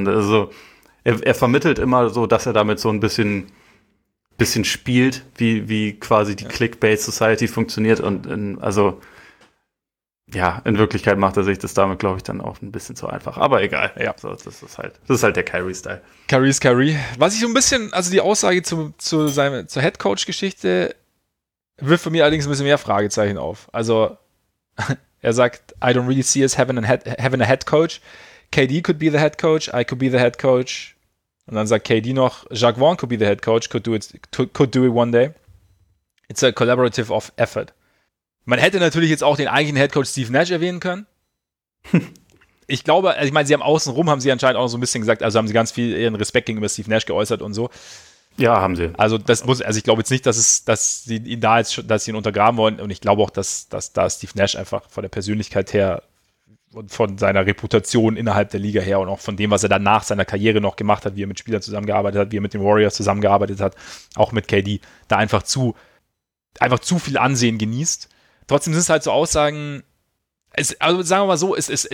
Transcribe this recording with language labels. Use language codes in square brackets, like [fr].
[de] Und also, er vermittelt immer so, dass er damit so ein bisschen spielt, wie quasi die Clickbait-Society funktioniert und in Wirklichkeit macht er sich das damit, glaube ich, dann auch ein bisschen zu einfach, aber egal. Ja. So, das ist halt der Kyrie-Style. Kyrie ist Kyrie. Was ich so ein bisschen, also die Aussage zur Headcoach-Geschichte wirft für mich allerdings ein bisschen mehr Fragezeichen auf. Also er sagt, [en] I don't really see us having a head coach. KD could be the head coach, I could be the head coach. [de] Und dann sagt KD noch, [en] Jacques Vaughn could be the head coach, could do it one day. It's a collaborative of effort. [de] Man hätte natürlich jetzt auch den eigentlichen Head Coach Steve Nash erwähnen können. Ich glaube, ich meine, sie haben außenrum, haben sie anscheinend auch so ein bisschen gesagt, also haben sie ganz viel ihren Respekt gegenüber Steve Nash geäußert und so. Ja, haben sie. Also ich glaube jetzt nicht, dass sie ihn untergraben wollen. Und ich glaube auch, dass da Steve Nash einfach von der Persönlichkeit her und von seiner Reputation innerhalb der Liga her und auch von dem, was er dann nach seiner Karriere noch gemacht hat, wie er mit Spielern zusammengearbeitet hat, wie er mit den Warriors zusammengearbeitet hat, auch mit KD, da einfach zu viel Ansehen genießt. Trotzdem sind es halt so Aussagen, also sagen wir mal so, es